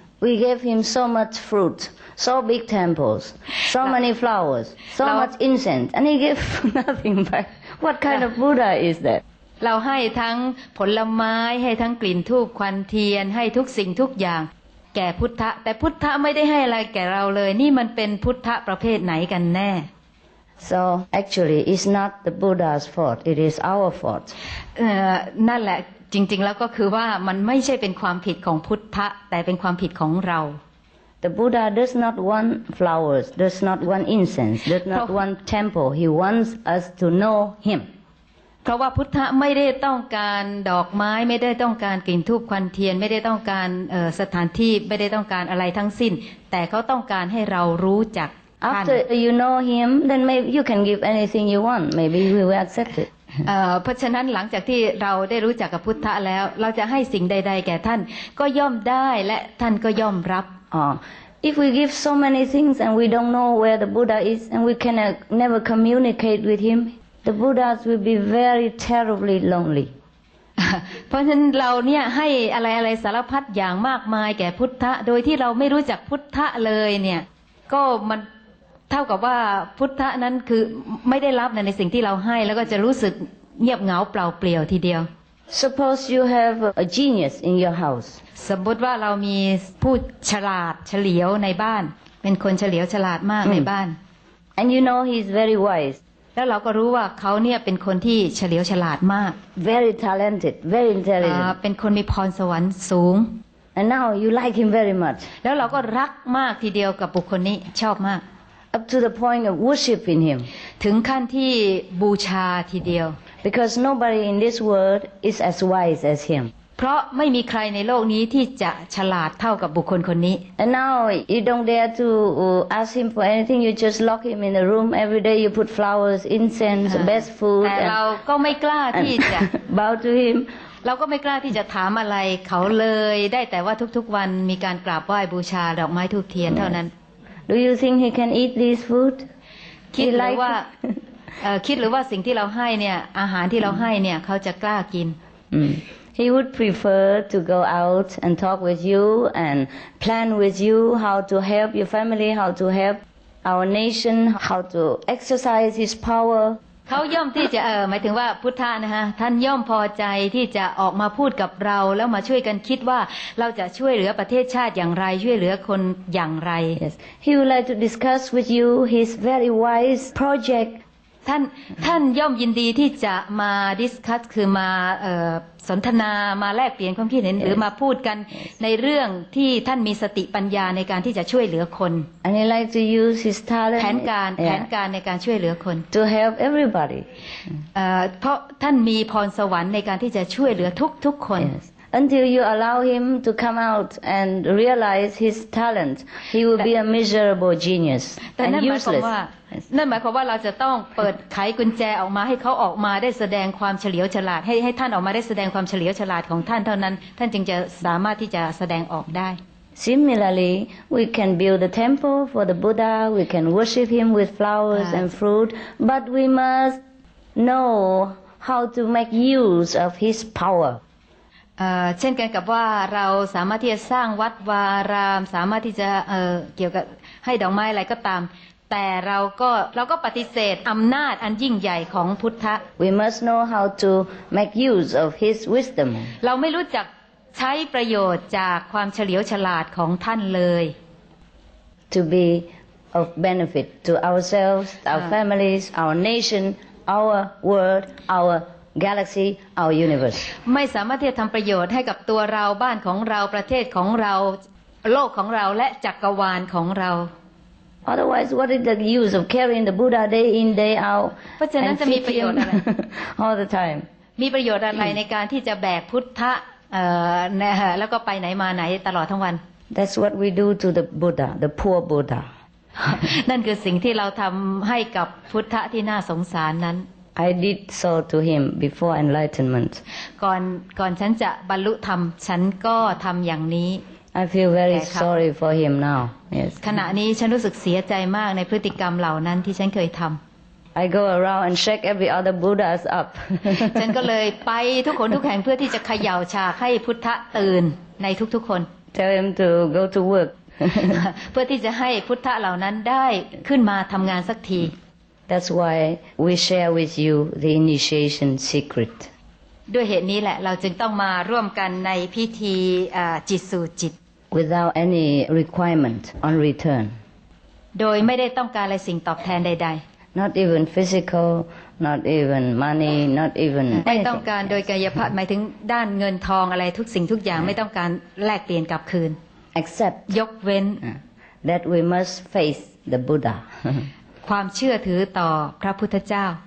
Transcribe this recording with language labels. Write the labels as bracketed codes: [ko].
[en] We gave him so much fruit so big temples so many flowers so much incense and he gave nothing back what kind of Buddha is that [th] เราให้ทั้งผลไม้ให้ทั้งกลิ่นธูปควันเทียนให้ทุกสิ่งทุกอย่างแก่พุทธะแต่พุทธะไม่ได้ให้อะไรแก่เราเลยนี่มันเป็นพุทธะประเภทไหนกันแน่ [en] So actually it's not the Buddha's fault it is our fault [th] นั่นแหละจริงๆแล้วก็คือว่ามันไม่ใช่เป็นความผิดของพุทธะแต่เป็นความผิดของเรา [en] The Buddha does not want flowers does not want incense does not want temple he wants us to know him [th] เพราะว่าพุทธะไม่ได้ต้องการดอกไม้ไม่ได้ต้องการกลิ่นธูปควันเทียนไม่ได้ต้องการสถานที่ไม่ได้ต้องการอะไรทั้งสิ้นแต่เขาต้องการให้เรารู้จักท่าน [en] After you know him then maybe you can give anything you want maybe we will accept it [th] เพราะฉะนั้นหลังจากที่เราได้รู้จักกับพุทธะแล้วเราจะให้สิ่งใดๆแก่ท่านก็ย่อมได้และท่านก็ย่อมรับ [en] If we give so many things and we don't know where the Buddha is and we can never communicate with himThe Buddhas will be very terribly lonely. [th] เพราะฉะนั้นเราเนี่ยให้อะไรๆสารพัดอย่างมากมายแก่พุทธะโดยที่เราไม่รู้จักพุทธะเลยเนี่ยก็มันเท่ากับว่าพุทธะนั้นคือไม่ได้รับในสิ่งที่เราให้แล้วก็จะรู้สึกเงียบเหงาเปล่าเปลี่ยวทีเดียว [en] Suppose you have a genius in your house. [th] สมมติว่าเรามีผู้ฉลาดเฉลียวในบ้านเป็นคนเฉลียวฉลาดมากในบ้าน [en] And you know he's very wise. [th] แล้วเราก็รู้ว่าเขาเนี่ยเป็นคนที่เฉลียวฉลาดมาก [en] very talented very intelligent [th] เป็นคนมีพรสวรรค์สูง [en] and now you like him very much [th] แล้วเราก็รักมากทีเดียวกับบุคคลนี้ชอบมาก [en] up to the point of worshiping him [th] ถึงขั้นที่บูชาทีเดียว [en] because nobody in this world is as wise as him [th] เพราะไม่มีใครในโลกนี้ที่จะฉลาดเท่ากับบุคคลคนนี้ [en] and now you don't dare toask him for anything you just lock him in the room every day you put flowers incense best food [th] แต่เราก็ไม่กล้าที่จะ [en] bow to him [th] เราก็ไม่กล้าที่จะถามอะไรเขาเลยได้แต่ว่าทุกๆวันมีการกราบไหว้บูชาดอกไม้ธูปเทียนเท่านั้น [en] do you think he can eat this food [th] คิดหรือว่าคิดหรือว่าสิ่งที่เราให้เนี่ยอาหารที่เราให้เนี่ยเขาจะกล้ากิน [en] He would prefer to go out and talk with you and plan with you how to help your family, how to help our nation, how to exercise his power. [th] ขาย่อมที่จะหมายถึงว่าพุทธานะฮะท่านย่อมพอใจที่จะออกมาพูดกับเราแล้วมาช่วยกันคิดว่าเราจะช่วยเหลือประเทศชาติอย่างไรช่วยเหลือคนอย่างไร [en] Yes he would like to discuss with you his very wise project [th] ท่านย่อมยินดีที่จะมา discuss คือมาสนทนามาแลกเปลี่ยนความคิดเห็น Yes. หรือมาพูดกัน Yes. ในเรื่องที่ท่านมีสติปัญญาในการที่จะช่วยเหลือคน [en] And he like to use his talent [th] แผนการ Yeah. แผนการในการช่วยเหลือคน [en] to help everybody [th] เพราะท่านมีพรสวรรค์ในการที่จะช่วยเหลือทุกคน [en] Yes. until you allow him to come out and realize his talent he will be a miserable genius and useless [th] นั่นหมายความว่าเราจะต้องเปิดไขกุญแจออกมาให้เขาออกมาได้แสดงความเฉลียวฉลาดให้ท่านออกมาได้แสดงความเฉลียวฉลาดของท่านเท่านั้นท่านจึงจะสามารถที่จะแสดงออกได้ [en] Similarly we can build the temple for the Buddha we can worship him with flowers and fruit but we must know how to make use of his power [th] เช่นกันกับว่าเราสามารถที่จะสร้างวัดวารามสามารถที่จะเกี่ยวกับให้ดอกไม้อะไรก็ตามแต่เราก็ปฏิเสธอำนาจอันยิ่งใหญ่ของพุทธะ [en] We must know how to make use of his wisdom [th] เราไม่รู้จักใช้ประโยชน์จากความเฉลียวฉลาดของท่านเลย [en] To be of benefit to ourselves our families our nation our world ourGalaxy our universe [th] ไม่สามารถที่จะทำประโยชน์ให้กับตัวเราบ้านของเราประเทศของเราโลกของเราและจักรวาลของเรา [en] Otherwise what is the use of carrying the Buddha day in day out [th] จะนั้นจะมีประโยชน์อะไร [en] all the time [th] มีประโยชน์อะไรในการที่จะแบกพุทธะแล้วก็ไปไหนมาไหนตลอดทั้งวัน [en] That's what we do to the Buddha the poor Buddha [th] นั่นคือสิ่งที่เราทำให้กับพุทธะที่น่าสงสารนั้น [en] I did so to him before enlightenment. [th] ก่อนฉันจะบรรลุธรรมฉันก็ทำอย่างนี้ [en] I feel very sorry for him now. Yes. [th] ขณะนี้ฉันรู้สึกเสียใจมากในพฤติกรรมเหล่านั้นที่ฉันเคยทำ [en] I go around and shake every other Buddha's up. [th] ฉันก็เลยไปทุกคนทุกแห่งเพื่อที่จะเขย่าชาให้พุทธะตื่นในทุกๆคน [en] Tell him to go to work. [th] เพื่อที่จะให้พุทธะเหล่านั้นได้ขึ้นมาทำงานสักที [en] That's why we share with you the initiation secret. [th] ด้วยเหตุนี้แหละเราจึงต้องมาร่วมกันในพิธีจิตสู่จิต [en] Without any requirement on return. [th] โดยไม่ได้ต้องการอะไรสิ่งตอบแทนใด [en] ๆ Not even physical, not even money, not even anything. [th] ไม่ต้องการโดยกายภาพหมายถึงด้านเงินทองอะไรทุกสิ่งทุกอย่างไม่ต้องการแลกเปลี่ยนกลับคืน [en] Except [th] ยกเว้น [en] that we must face the Buddha. [th] ความเชื่อถือต่อพระพุทธเจ้า